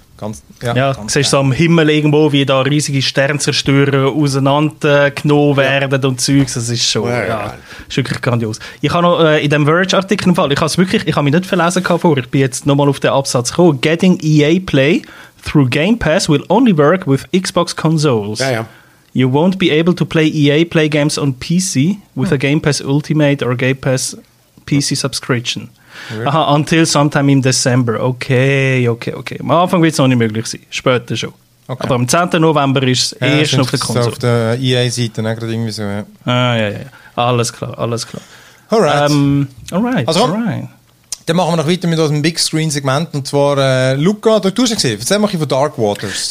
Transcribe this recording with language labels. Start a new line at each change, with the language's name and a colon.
German: Ganz siehst du so am Himmel irgendwo, wie da riesige Sternzerstörer auseinandergenommen werden und Zeugs, das ist schon ist wirklich grandios. Ich habe noch in dem Verge-Artikel, ich habe mich nicht verlesen vorher, ich bin jetzt nochmal auf den Absatz gekommen,
English: Getting EA Play through Game Pass will only work with Xbox consoles.
German: Ja, ja.
English: You won't be able to play EA Play games on PC with a Game Pass Ultimate or Game Pass PC Subscription. Okay. Aha, until sometime in December. Okay.
German: Am Anfang wird es noch nicht möglich sein. Später schon. Okay. Aber am 10. November ist es erst auf der Konsole. Auf der EA-Seite, ne? Gerade irgendwie so. Ja. Alles klar.
English: Alright.
German: Dann machen wir noch weiter mit unserem Big Screen-Segment. Und zwar, Luca, du hast ja gesehen, erzähl mal von Dark Waters.